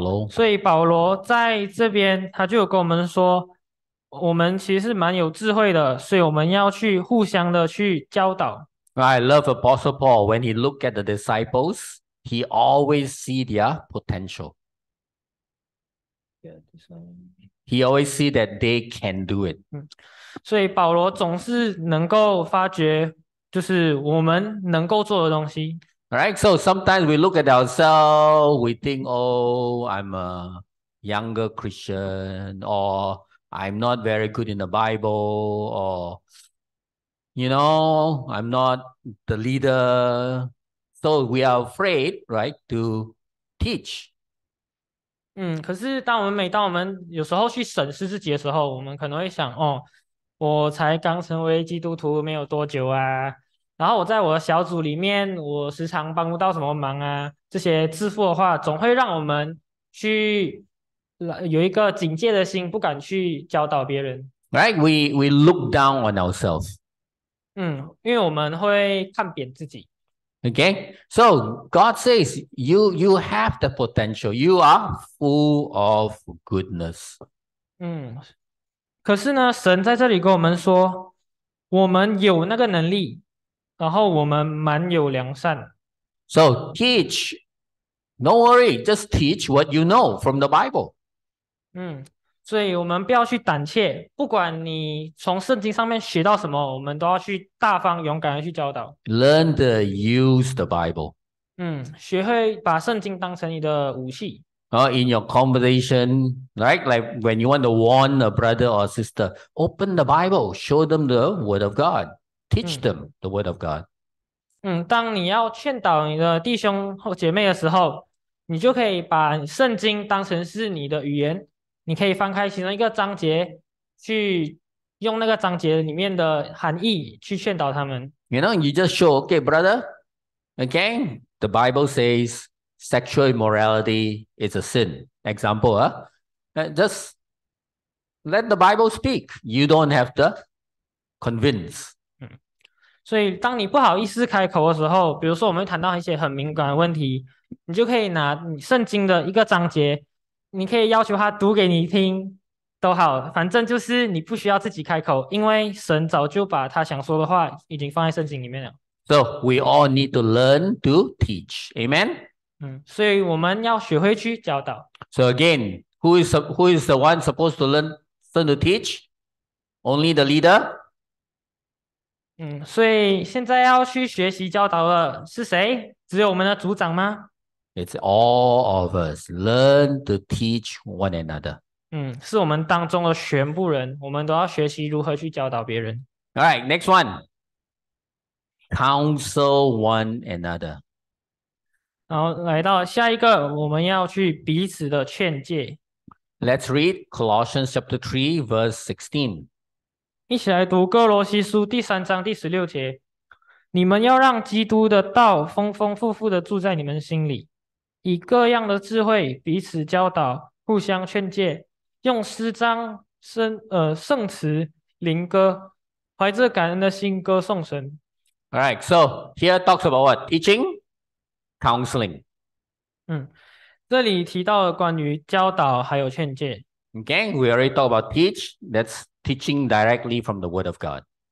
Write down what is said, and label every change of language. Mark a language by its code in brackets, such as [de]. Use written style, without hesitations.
[zh] 所以保罗在这边他就跟我们说，我们其实蛮有智慧的，所以我们要去互相的去教导。 [en] I love Apostle Paul. When he looked at the disciples, he always see their potential. He always see that they can do it. [zh] 所以保罗总是能够发觉就是我们能够做的东西。 [en] Alright, so sometimes we look at ourselves, we think, oh, I'm a younger Christian, or I'm not very good in the Bible, or, you know, I'm not the leader. So we are afraid, right, to teach. [zh] 可是每当我们有时候去审视自己的时候，我们可能会想，哦，我才刚成为基督徒没有多久啊。然后我在我的小组里面，我时常帮不到什么忙啊。这些自负的话，总会让我们去有一个警戒的心，不敢去教导别人。 [en] Right, we look down on ourselves. [zh] 因为我们会看扁自己。 [en] Okay, so God says you have the potential. You are full of goodness. [zh] 可是呢，神在这里跟我们说，我们有那个能力。然后我们蛮有良善。 [en] So teach, no worry, just teach what you know from the Bible. [zh] 所以我们不要去胆怯，不管你从圣经上面学到什么，我们都要去大方勇敢的去教导。 [en] Learn to use the Bible. [zh] 学会把圣经当成你的武器。 [en] In your conversation, right? Like when you want to warn a brother or a sister, open the Bible, show them the word of God. Teach them the word of God. [zh] 当你要劝导你的弟兄或姐妹的时候，你就可以把圣经当成是你的语言。你可以翻开其中一个章节，去用那个章节里面的含义去劝导他们。 [en] You know, you just show, okay, brother, okay, the Bible says sexual immorality is a sin. Example, just let the Bible speak. You don't have to convince. [zh] 所以当你不好意思开口的时候，比如说我们谈到一些很敏感的问题，你就可以拿圣经的一个章节，你可以要求他读给你听都好，反正就是你不需要自己开口，因为神早就把他想说的话已经放在圣经里面了。 [en] So we all need to learn to teach. Amen. [zh] 所以我们要学会去教导。 [en] So again, who is the one supposed to learn to teach? Only the leader? [zh] 所以现在要去学习教导的是谁？只有我们的组长吗？ [en] It's all of us. Learn to teach one another. [zh] 是我们当中的全部人，我们都要学习如何去教导别人。 [en] All right, next one. Counsel one another. [zh] 然后来到下一个，我们要去彼此的劝诫。 [en] Let's read Colossians chapter 3, verse 16. [zh] 一起来读哥罗西书第3章第16节。你们要让基督的道丰丰富富的住在你们心里，以各样的智慧彼此教导，互相劝诫，用诗章、圣词、灵歌，怀着感恩的心歌颂神。 [en] All right, so here talks about what? Teaching? Counseling. [zh] 这里提到了关于教导还有劝诫。 [en] Okay, we already talked about teach. That's teaching directly from the word of God.